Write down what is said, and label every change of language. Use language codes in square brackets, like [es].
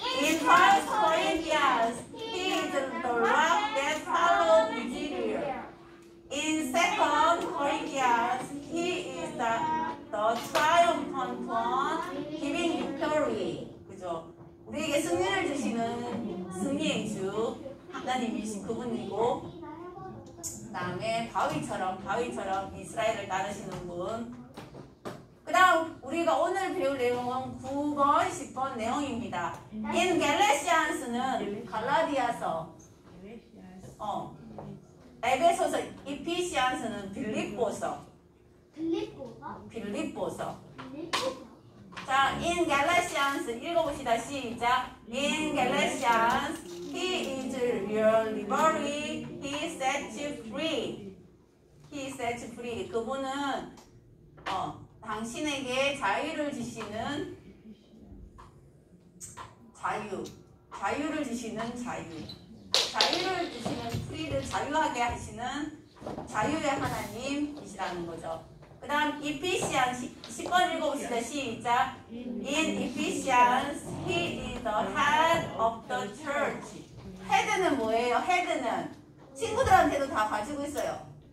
[en] In 1 Corinthians, he is the rock that followed Israel. In 2 Corinthians, he is the triumphant one giving victory. [ko] 그죠? 우리에게 승리를 주시는 승리의 주 하나님이신 그분이고 그 다음에 바위처럼 이스라엘을 따르시는 분. 그 다음 우리가 오늘 배울 내용은 9번, 10번 내용입니다. In Galatians는 갈라디아서, 에베소서, Ephesians는 빌립보서. 빌립보서? 자, In Galatians 읽어봅시다. 시작! [en] In Galatians, he is your liberty, he set you free. He set you free. [ko] 그분은 당신에게 자유를 주시는 자유를 주시는 프리를 자유하게 하시는 자유의 하나님이시라는 거죠. 그 다음 Ephesians 10번 읽어봅시다. 시작! [en] In Ephesians, he is the head of the church. [ko] 헤드는 뭐예요? 헤드는 친구들한테도 다 가지고 있어요.